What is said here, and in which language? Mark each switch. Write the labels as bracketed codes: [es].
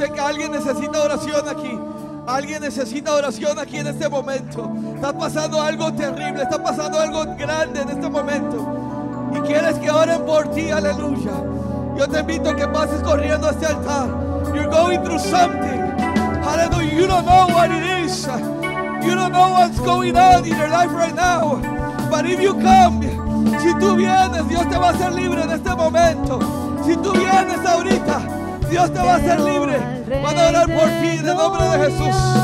[es] Alguien necesita oración aquí. Alguien necesita oración aquí en este momento. Está pasando algo terrible, está pasando algo grande en este momento. Y quieres que oren por ti, aleluya. Yo te invito a que pases corriendo a este altar. [en] You're going through something. Hallelujah. You don't know what it is. You don't know what's going on in your life right now. But if you come, [es] si tú vienes, Dios te va a hacer libre en este momento. Si tú vienes ahorita, Dios te va a hacer libre. Van a orar por ti en el nombre de Jesús.